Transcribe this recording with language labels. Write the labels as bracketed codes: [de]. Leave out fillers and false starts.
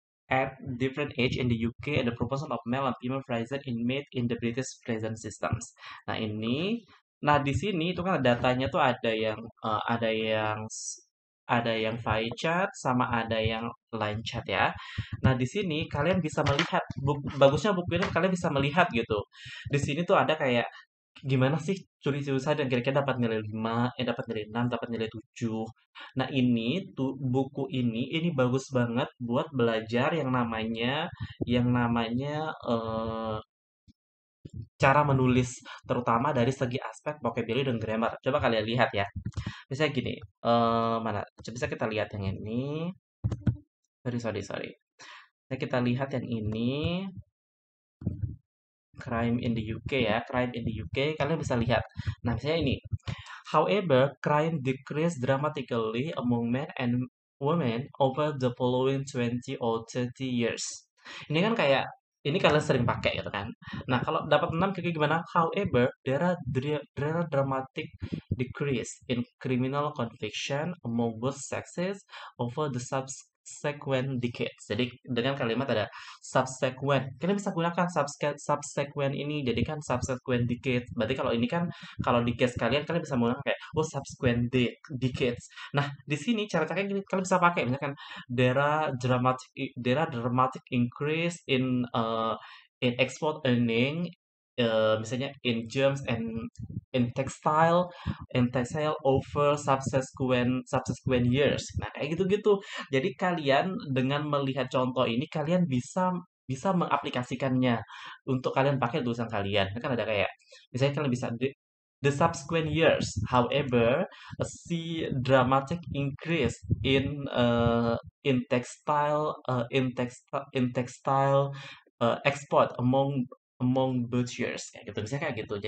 [en] at different age in the UK and the proportion of male and female prison inmate in the British prison systems. [id] Nah ini, nah di sini itu kan datanya tuh ada yang file chart sama ada yang line chart ya. Nah di sini kalian bisa melihat bagusnya buku ini kalian bisa melihat gitu. Di sini tuh ada kayak gimana sih curi-curi saya dan kira-kira dapat nilai 5, dapat nilai 6, dapat nilai 7. Nah ini tuh buku ini bagus banget buat belajar yang namanya cara menulis, terutama dari segi aspek vocabulary dan grammar. Coba kalian lihat ya. Misalnya gini, mana? Bisa kita lihat yang ini. Sorry. Nah, kita lihat yang ini. Crime in the UK ya, crime in the UK kalian bisa lihat. Nah, misalnya ini. [en] However, crime decreased dramatically among men and women over the following 20 or 30 years. [id] Ini kan kayak ini kalian sering pakai gitu kan. Nah, kalau dapat 6 kayak gimana? [en] However, there are dramatic decrease in criminal conviction among both sexes over the subsequent decades. [id] Jadi dengan kalimat ada subsequent, kalian bisa gunakan subsequent ini, jadi kan subsequent decades. Berarti kalau ini kan kalau di case kalian bisa menggunakan kayak oh subsequent decades. Nah di sini cara-cara gini kalian bisa pakai misalkan [en] there are dramatic increase in export earning. Misalnya in germs and in textile over subsequent years. [id] Nah, kayak gitu-gitu. Jadi kalian dengan melihat contoh ini kalian bisa bisa mengaplikasikannya untuk kalian pakai tulisan kalian. Kan ada kayak misalnya kalian bisa [en] the subsequent years, however, see dramatic increase in textile export among butchers [id] kayak gitu, misalnya kayak gitu.